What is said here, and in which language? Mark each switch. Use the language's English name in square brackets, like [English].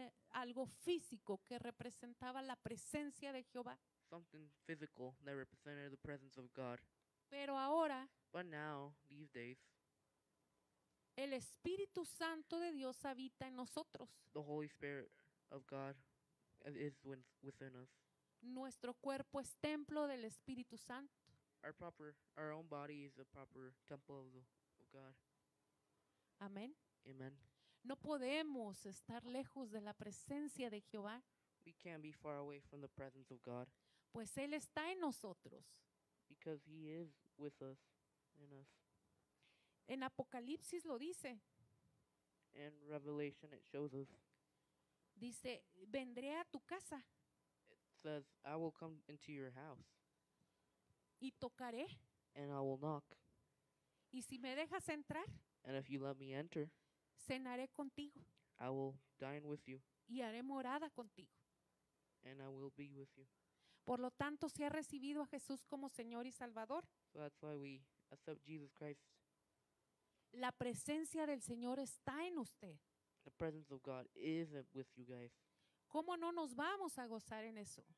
[Spanish] Algo físico que representaba la presencia de Jehová. [English] Something physical that represented the presence of God. [Spanish] Pero ahora. [English] But now, these days. [Spanish] El Espíritu Santo de Dios habita en nosotros. [English] The Holy Spirit of God is within us. [Spanish] Nuestro cuerpo es templo del Espíritu Santo. [English] Our own body is a proper temple of God. [Spanish] Amén. [English] Amen. [Spanish] No podemos estar lejos de la presencia de Jehová. [English] We can't be far away from the presence of God. [Spanish] Pues Él está en nosotros. [English] Because He is with us, in us. [Spanish] En Apocalipsis lo dice. [English] In Revelation it shows us. [Spanish] Dice, vendré a tu casa. [English] It says, I will come into your house. [Spanish] Y tocaré. [English] And I will knock. [Spanish] Y si me dejas entrar. [English] And if you let me enter. [Spanish] Cenaré contigo. [English] I will dine with you. [Spanish] Y haré morada contigo. [English] And I will be with you. [Spanish] Por lo tanto, si ha recibido a Jesús como Señor y Salvador. [English] So that's why we accept Jesus Christ. [Spanish] La presencia del Señor está en usted. [English] The presence of God is with you guys. [Spanish] ¿Cómo no nos vamos a gozar en eso?